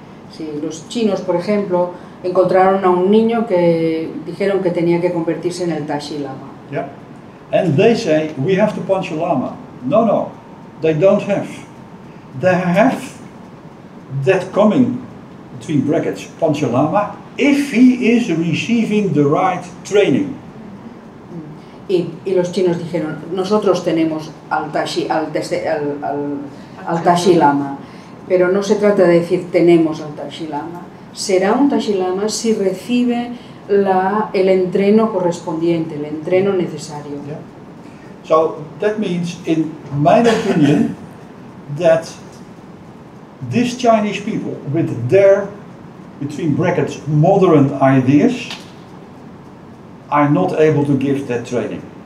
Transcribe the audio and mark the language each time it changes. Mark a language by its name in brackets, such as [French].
[Spanish] Sí, los chinos, por ejemplo, encontraron a un niño que dijeron que tenía que convertirse en el Tashi Lama. [English] Yeah. And they say, we have the Panchi Lama. No, they don't have. They have that coming, between brackets, Panchi Lama, if he is receiving the right training. [Spanish] Y los chinos dijeron, nosotros tenemos al Tashi Lama, pero no se trata de decir tenemos al Tashi Lama. Será un Tashi Lama si recibe el entreno correspondiente, el entreno necesario. [English] Yeah. So that means, in my opinion, that these Chinese people with their, between brackets, modern ideas, are not able to give that training.